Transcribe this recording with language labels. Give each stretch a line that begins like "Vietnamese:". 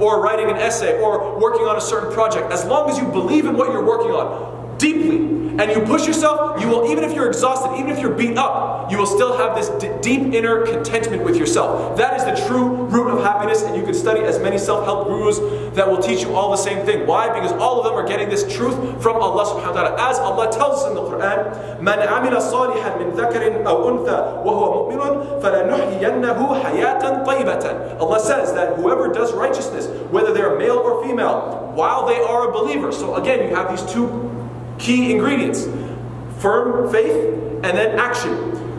English: Or writing an essay or working on a certain project. As long as you believe in what you're working on deeply and you push yourself, you will, even if you're exhausted, even if you're beat up, you will still have this deep inner contentment with yourself. That is the true root of happiness, and you can study as many self-help gurus that will teach you all the same thing. Why? Because all of them are getting this truth from Allah subhanahu wa ta'ala. As Allah tells us in the Quran,
Arabic: مَنْ عَمِلَ صَالِحًا مِنْ ذَكَرٍ أَوْ أُنْثَى وَهُوَ مُؤْمِنٌ فَلَنُحْيِيَنَّهُ حَيَاةً طَيِّبَةً.
English: Allah says that whoever does righteousness, whether they are male or female, while they are a believer. So again, you have these two key ingredients: firm faith and then action.